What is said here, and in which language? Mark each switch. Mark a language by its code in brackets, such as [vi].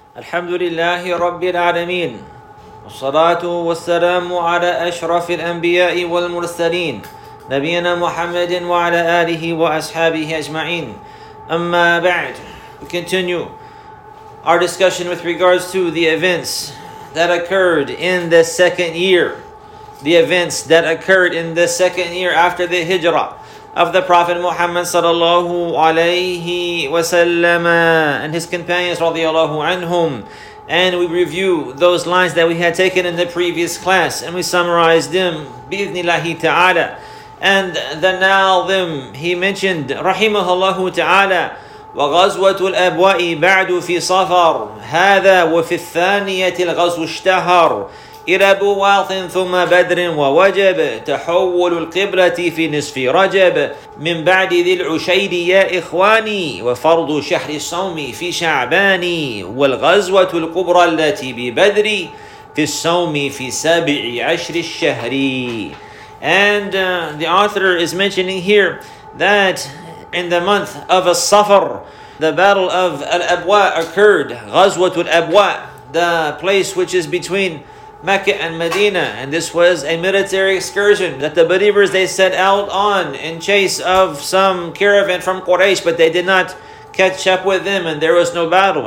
[ar] الحمد لله رب العالمين والصلاة والسلام على أشرف الأنبياء والمرسلين نبينا محمد وعلى آله وأصحابه أجمعين أما بعد. [en] We continue our discussion with regards to the events that occurred in the second year. The events that occurred in the second year after the Hijrah of the Prophet Muhammad sallallahu alayhi wa sallam and his companions radiallahu anhum. And we review those lines that we had taken in the previous class and we summarized them bi'idhnillahi ta'ala. And the nalim, he mentioned rahimahullahu ta'ala, [ar] وغزوة الأبواء بعد في صفر هذا وفي الثانية الغزو اشتهر إلى بواط ثم بدر ووجب تحول القبلة في نصف رجب من بعد ذي العشير يا إخواني وفرض شهر الصوم في شعبان والغزوة الكبرى التي ببدر في الصوم في سابع عشر الشهر. [en] And the author is mentioning here that in the month of As-Safar, the battle of Al-Abwa occurred, Ghazwatul Abwa, the place which is between Mecca and Medina. And this was a military excursion that the believers, they set out on in chase of some caravan from Quraysh, but they did not catch up with them and there was no battle.